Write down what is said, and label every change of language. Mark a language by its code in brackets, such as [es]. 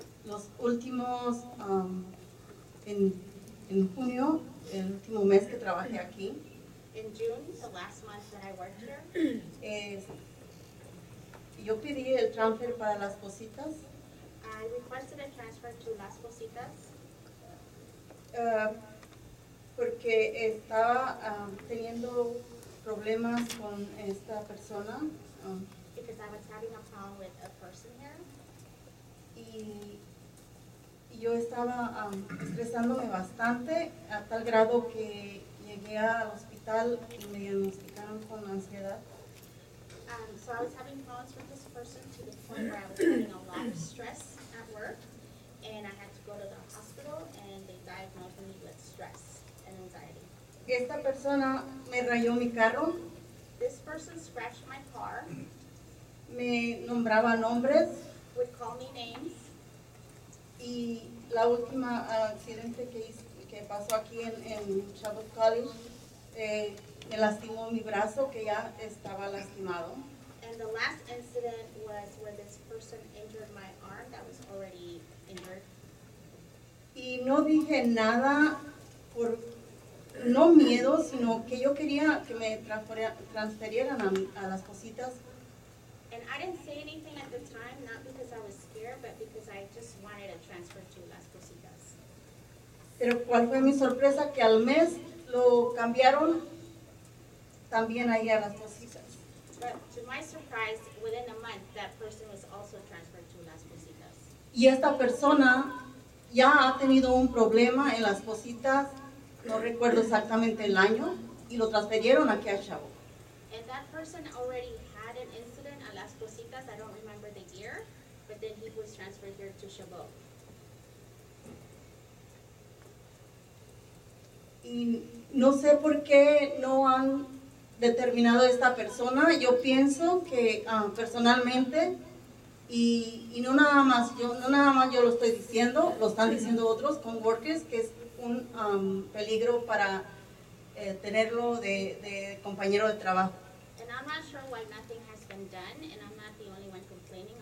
[es] Los últimos, en junio, el último mes que trabajé aquí. [en] In June, the last month that I worked here. [es] Yo pedí el transfer para Las Positas. [en] I requested a transfer to Las Positas. [es] Porque estaba teniendo problemas con esta persona. [en] Because I was having a problem with a person here. [es] Y yo estaba estresándome bastante, a tal grado que llegué al hospital y me diagnosticaron con ansiedad. [en] So I was having problems with this person to the point where I was having a lot of stress at work, and I had to go to the hospital, and they diagnosed me with stress and anxiety. [es] Esta persona me rayó mi carro. [en] This person scratched my car. [es] Me nombraba nombres. [en] Would call me names. [es] Y la última accidente que pasó aquí en Chabot College, me lastimó mi brazo, que ya estaba lastimado. [en] And the last incident was where this person injured my arm that was already injured. [es] Y no dije nada por, no miedo, sino que yo quería que me transferieran a Las Positas. [en] And I didn't say anything at the time, not because I was scared, but because I just wanted a transfer to Las Positas. [es] Pero cuál fue mi sorpresa, que al mes lo cambiaron también ahí a Las Positas. [en] But to my surprise, within a month, that person was also transferred to Las Positas. [es] Y esta persona ya ha tenido un problema en Las Positas, no recuerdo exactamente el año, y lo transferieron aquí a Chavo. [en] And that person already had an incident at Las Positas, I don't remember the year, but then he was transferred here to Chabot. [es] Y no sé por qué no han determinado esta persona. Yo pienso que personalmente, y no nada más yo, no nada más yo lo estoy diciendo, lo están diciendo otros coworkers, que es un peligro para tenerlo de compañero de trabajo. [en] And I'm not sure why nothing has been done, and I'm not the only one complaining.